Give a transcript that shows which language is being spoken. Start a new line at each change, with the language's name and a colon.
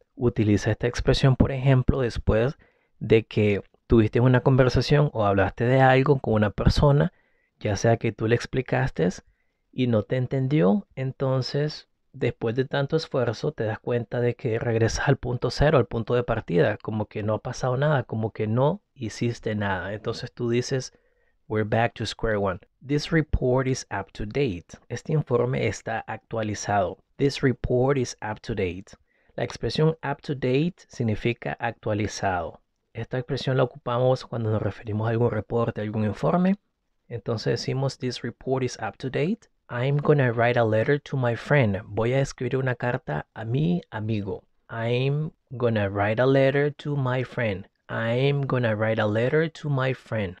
Spanish: Utiliza esta expresión, por ejemplo, después de que tuviste una conversación o hablaste de algo con una persona, ya sea que tú le explicaste y no te entendió, entonces después de tanto esfuerzo te das cuenta de que regresas al punto cero, al punto de partida, como que no ha pasado nada, como que no hiciste nada. Entonces tú dices,
English: we're back to square one. This report is up to date.
Spanish: Este informe está actualizado.
English: This report is up to date.
Spanish: La expresión up to date significa actualizado. Esta expresión la ocupamos cuando nos referimos a algún reporte, a algún informe. Entonces decimos,
English: this report is up to date. I'm gonna write a letter to my friend.
Spanish: Voy a escribir una carta a mi amigo.
English: I'm gonna write a letter to my friend. I'm gonna write a letter to my friend.